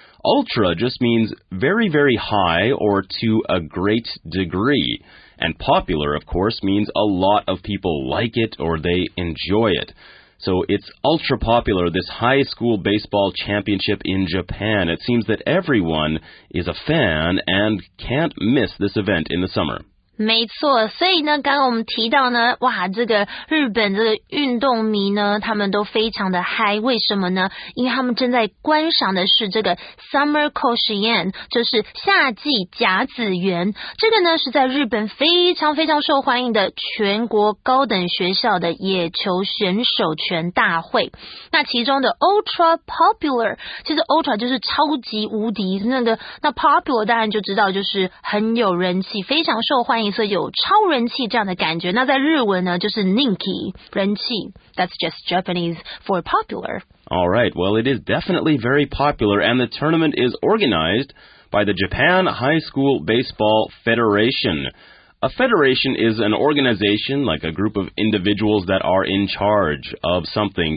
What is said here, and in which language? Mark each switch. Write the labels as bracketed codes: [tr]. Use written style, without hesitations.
[en] Ultra just means very, very high or to a great degree. And popular, of course, means a lot of people like it or they enjoy it. So it's ultra popular, this high school baseball championship in Japan. It seems that everyone is a fan and can't miss this event in the summer. [zh] 没错，所以呢，刚刚我们提到呢，哇，这个日本这个运动迷呢，他们都非常的嗨，为什么呢？因为他们正在观赏的是这个 Summer Koshien, 就是夏季甲子园。这个呢是在日本非常非常受欢迎的全国高等学校的野球选手权大会。那其中的 Ultra Popular, 其实 Ultra 就是超级无敌，那 Popular 当然就知道就是很有人气，非常受欢迎。所以有超人气这样的感觉，那在日文呢就是 ninki, 人气。 [en] That's just Japanese for popular. Alright, well it is definitely very popular, and the tournament is organized by the Japan High School Baseball Federation. A federation is an organization, like a group of individuals that are in charge of something.